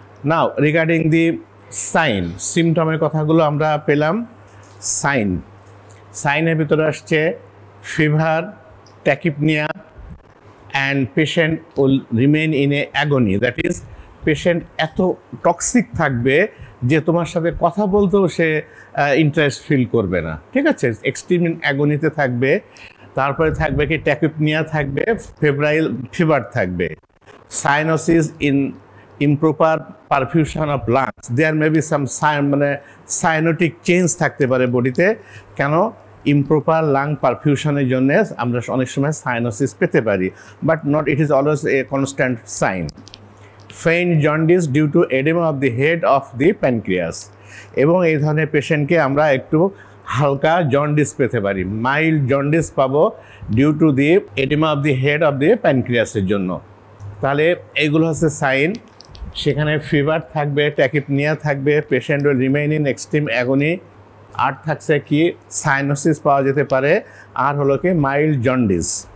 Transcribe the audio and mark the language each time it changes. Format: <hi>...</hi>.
<en>now regarding the sign,</en> <bn>সিমটমের কথাগুলো আমরা পেলাম, সাইন সাইনের ভিতরে আসছে fever, tachypnoea and</bn> <en>patient will remain in a agony, that is</en> <bn>patient এত টক্সিক থাকবে যে তোমার সাথে কথা বলতেও সে ইন্টারেস্ট ফিল করবে না, ঠিক আছে, এক্সট্রিম অ্যাগোনিতে থাকবে, তারপরে থাকবে কি ট্যাকিপনিয়া থাকবে, ফেব্রাইল ফিভার থাকবে, cyanosis in</bn> <en>improper perfusion of lungs. There may be some cyanotic change</en> <bn>থাকতে পারে বডিতে কেন</bn> <en>improper lung perfusion</en> <bn>এর জন্য আমরা অনেক সময় সাইনোসিস পেতে পারি</bn> <en>but not it is always a constant sign. Faint jaundice due to edema of the head of the pancreas.</en> <bn>এবং এই ধরনের পেশেন্টকে আমরা একটু হালকা জন্ডিস পেতে পারি মাইল্ড জন্ডিস পাবো</bn> <en>due to the oedema of the</en> <bn>head of the প্যানক্রিয়াসের জন্য তাহলে এগুলো হচ্ছে সাইন সেখানে ফিভার থাকবে ট্যাকিপনিয়া থাকবে</bn> <en>patient will remain in extreme agony</en> <bn>আর থাকছে কি সাইনোসিস পাওয়া যেতে পারে আর হলো কি মাইল্ড জন্ডিস</bn>